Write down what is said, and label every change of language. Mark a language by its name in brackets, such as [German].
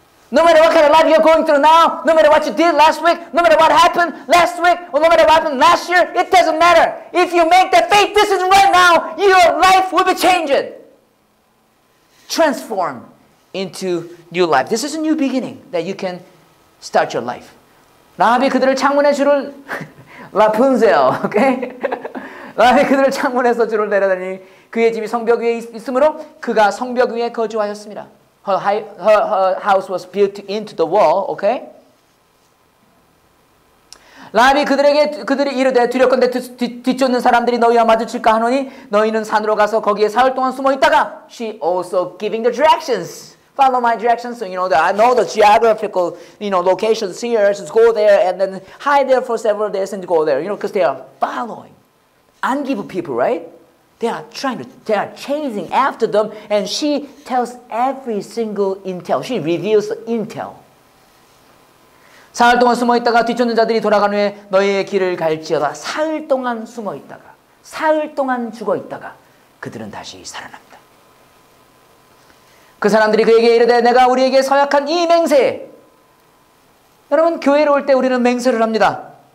[English] No matter what kind of life you're going through now, no matter what you did last week, no matter what happened last week, or no matter what happened last year, it doesn't matter. If you make that faith decision right now, your life will be changed. Transform into new life. This is a new beginning that you can start your life. [Korean] 라합이 그들을 창문에 줄을 라푼젤, okay? 라합이 그들을 창문에서 줄을 내려다니 그의 집이 성벽 위에 있으므로 그가 성벽 위에 거주하였습니다. [English] Her house was built into the wall, okay? [Korean] 라합이 그들이 이르되 두렵건대 뒤쫓는 사람들이 너희와 마주칠까 하노니 너희는 산으로 가서 거기에 사흘 동안 숨어 있다가 [English] She also giving the directions. Follow my directions, so you know that I know the geographical, you know, locations here. Just go there and then hide there for several days and go there. You know, because they are following. Ungive people, right? They are chasing after them, and she tells every single intel. She reveals the intel. [Korean] 사흘 동안 숨어 있다가 뒤쫓는 자들이 돌아간 후에 너희의 길을 갈지어다. 사흘 동안 숨어 있다가, 사흘 동안 죽어 있다가 그들은 다시 살아납니다. 그 사람들이 그에게 이르되 내가 우리에게 서약한 이 맹세. 여러분, 교회로 올 때 우리는 맹세를 합니다.